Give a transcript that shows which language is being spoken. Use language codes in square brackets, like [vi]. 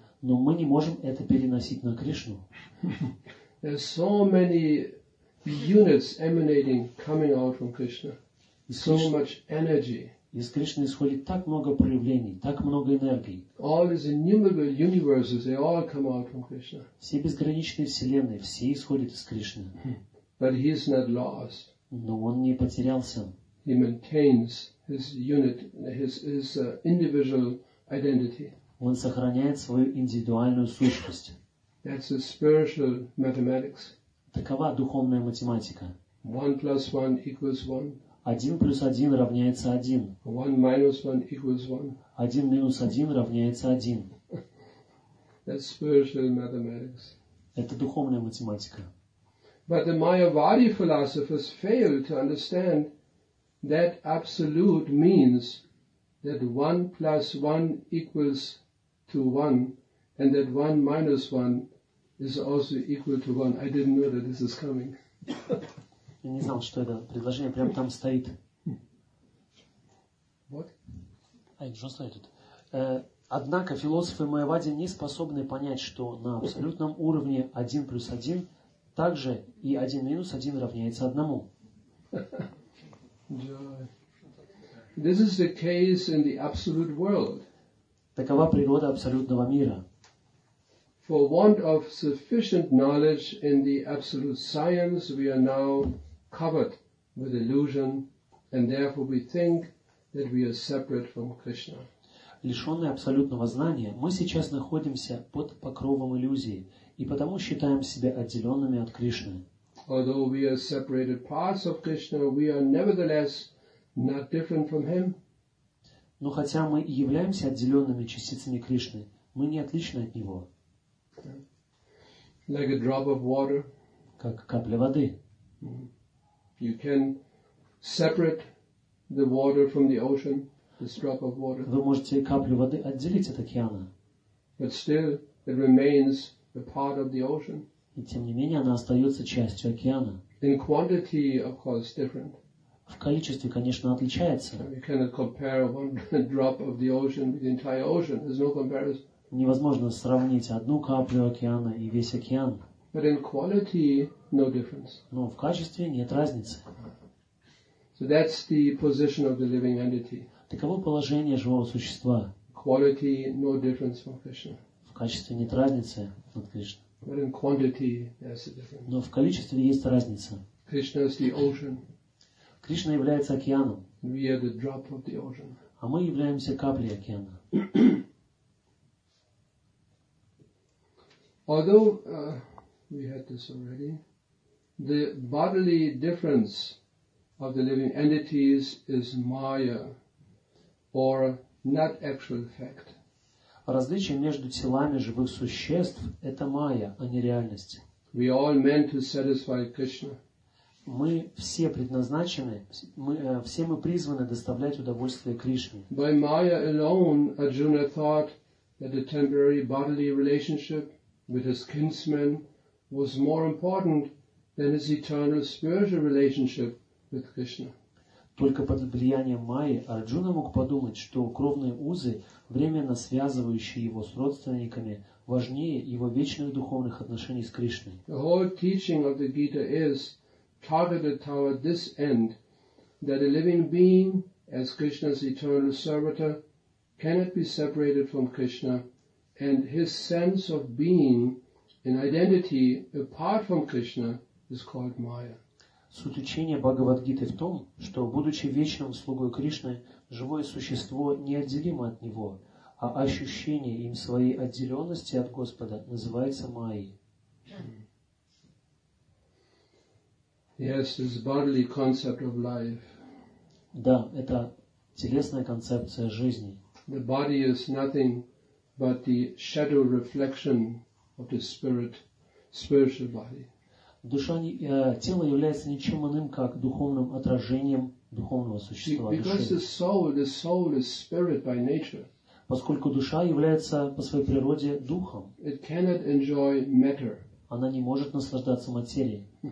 [ru] Но мы не можем это переносить на Кришну. [en] There's so many units emanating, coming out from Krishna. So much energy. [ru] Из Кришны исходит так много проявлений, так много энергии. [en] All these innumerable universes, they all come out from Krishna. [ru] Все безграничные вселенные, все исходят из Кришны. [en] But he is not lost. [ru] Но он не потерялся. [en] He maintains his unit, his individual identity. [ru] Он сохраняет свою индивидуальную сущность. [en] That's a spiritual mathematics. [ru] Такова духовная математика. [en] 1 + 1 = 1. [ru] 1 + 1 равняется 1. [en] 1 - 1 = 1. [ru] 1 - 1 равняется 1. [en] That's spiritual mathematics. [ru] Это духовная математика. [en] But the Mayavadi philosophers failed to understand that absolute means that 1 + 1 = 1 and that 1 - 1 is also equal to 1. I didn't know that this is coming. [ru] Я не знал, что это предложение прямо там стоит. [en] What? I just said it. [ru] Однако философы Майявади не способны понять, что на абсолютном уровне 1 плюс 1 также и 1 минус 1 равняется 1. [en] This is the case in the absolute world. [ru] Такова природа абсолютного мира. [en] For want of sufficient knowledge in the absolute science, we are now covered with illusion, and therefore we think that we are separate from Krishna. [ru] Лишенные абсолютного знания, мы сейчас находимся под покровом иллюзии, и потому считаем себя отделенными от Кришны. [en] Although we are separated parts of Krishna, we are nevertheless not different from Him. [ru] Но хотя мы и являемся отделенными частицами Кришны, мы не отличны от Него. [en] Like a drop of water. [ru] Как капля воды. [en] You can separate the water from the ocean, this drop of water. [ru] Вы можете каплю воды отделить от океана. [en] But still, it remains a part of the ocean. [ru] И тем не менее, она остается частью океана. [en] In quantity, of course, different. [ru] В количестве, конечно, отличается. [en] You cannot compare one drop of the ocean with the entire ocean. There's no comparison. [ru] Невозможно сравнить одну каплю океана и весь океан. [en] But in quality, no difference. [ru] Но в качестве нет разницы. [en] So that's the position of the living entity. [ru] Таково положение живого существа. [en] Quality, no difference from Krishna. [ru] В качестве нет разницы от Кришны. [en] But in quantity, there's a difference. [ru] Но в количестве есть разница. [en] Krishna is the ocean. [ru] Кришна является океаном. [en] We are the drop of the ocean. [ru] А мы являемся каплей океана. [en] Although we had this already, the bodily difference of the living entities is maya, or not actual fact. [ru] Различие между телами живых существ – это майя, а не реальность. [en] We all meant to satisfy Krishna. [ru] Мы все предназначены, все мы призваны доставлять удовольствие Кришне. [en] By maya alone, Arjuna thought that a temporary bodily relationship with his kinsmen was more important than his eternal spiritual relationship with Krishna. [ru] Только под влиянием майи Арджуна мог подумать, что кровные узы, временно связывающие его с родственниками, важнее его вечных духовных отношений с Кришной. [en] The whole teaching of the Gita is targeted toward this end, that a living being, as Krishna's eternal servitor, cannot be separated from Krishna. And his sense of being an identity apart from Krishna is called Maya. [ru] Суть учения Бхагавад-гиты в том, что, будучи вечным слугой Кришны, живое существо неотделимо от Него, а ощущение им своей отделенности от Господа называется Майей. [en] Yes, this bodily concept of life. [ru] Да, это телесная концепция жизни. [en] The body is nothing but the shadow reflection of the spiritual body. [ru] Душа, тело является ничем иным, как духовным отражением духовного существа. [en] Because the soul is spirit by nature. [ru] Поскольку душа является по своей природе духом. [en] It cannot enjoy matter. [ru] Она не может наслаждаться материей.